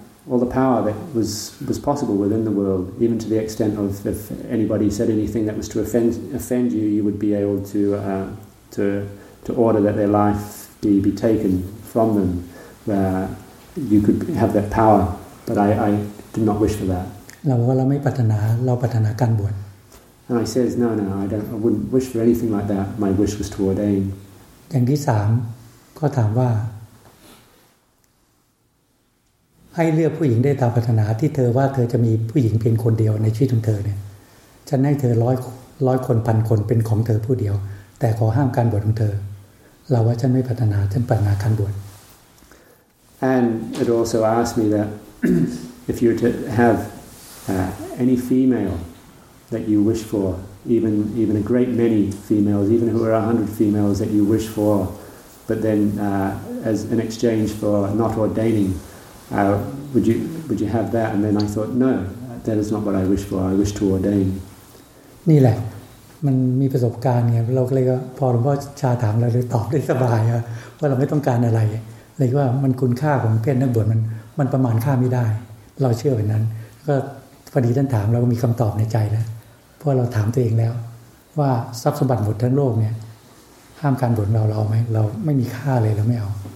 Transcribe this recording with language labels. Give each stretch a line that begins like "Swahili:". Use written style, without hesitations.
English: All the power that was possible within the world, even to the extent of if anybody said anything that was to offend you, you would be able to order that their life be taken from them. You could have that power, but I did not wish for that. And I says, no, I wouldn't wish for anything like that. My wish was to ordain.
Thai: อย่างที่สามก็ถามว่าให้เลือกผู้หญิงได้ตามปรารถนาที่เธอว่าเธอจะมีผู้หญิงเพียงคนเดียวในชีวิตของเธอเนี่ยฉันให้เธอร้อยคนพันคนเป็นของเธอผู้เดียวแต่ขอห้ามการบวชของเธอเราว่าฉันไม่ปรารถนาฉันปรารถนาการบวช
English: and it also asked me that if you were to have any female that you wish for even a great many females even if it were 100 females that you wish for but then as an exchange for not ordainingwould you have that? And then I thought, no, that is not what I wish for. I wish to ordain.
Thai: นี่แหละมันมีประสบการณ์ไงเราก็เลยก็พอหลวงพ่อชาถามเราเลยตอบได้สบายอะว่าเราไม่ต้องการอะไรเลยว่ามันคุณค่าของเพศนักบวชมันประมาณค่าไม่ได้เราเชื่อแบบนั้นก็พอดีท่านถามเราก็มีคำตอบในใจแล้วเพราะเราถามตัวเองแล้วว่าทรัพย์สมบัติหมดทั้งโลกเนี่ยห้ามการบวชเราไหมเราไม่มีค่าเลยเราไม่เอา